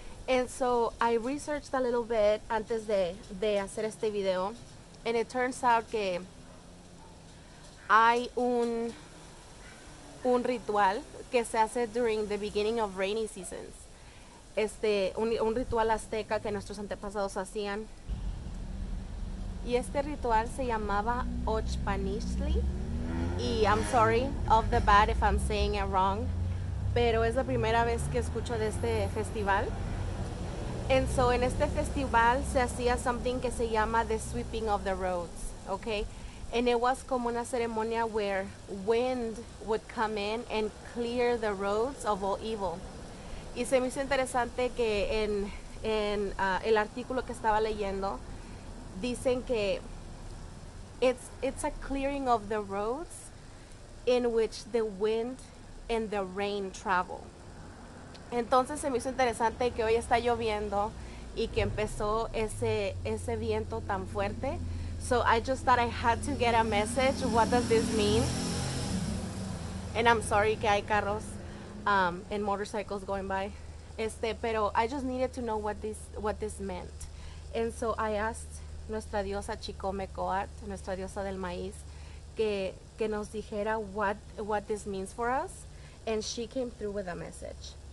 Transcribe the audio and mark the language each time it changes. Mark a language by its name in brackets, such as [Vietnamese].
[English] And so I researched a little bit [Spanish] antes de hacer este video, [English] and it turns out [Spanish] que hay un ritual que se hace [English] during the beginning of rainy seasons. [Spanish] Un ritual azteca que nuestros antepasados hacían. Y este ritual se llamaba Ochpanishli. [English] Y I'm sorry of the bad if I'm saying it wrong. [Spanish] Pero es la primera vez que escucho de este festival. [English] And so [Spanish] en este festival se hacía [English] something [Spanish] que se llama [English] the sweeping of the roads. Okay? And it was [Spanish] como una ceremonia [English] where wind would come in and clear the roads of all evil. [Spanish] Y se me hizo interesante que en el artículo que estaba leyendo dicen que [English] it's a clearing of the roads in which the wind and the rain travel. [Spanish] Entonces se me hizo interesante que hoy está lloviendo y que empezó ese viento tan fuerte. [English] So I just thought I had to get a message. What does this mean? And I'm sorry [Spanish] que hay carros [English] and motorcycles going by, pero I just needed to know what this meant. And so I asked Nuestra Diosa Chicomecoatl, Nuestra Diosa del Maíz, [Spanish] que nos dijera [English] what this means for us, and she came through with a message.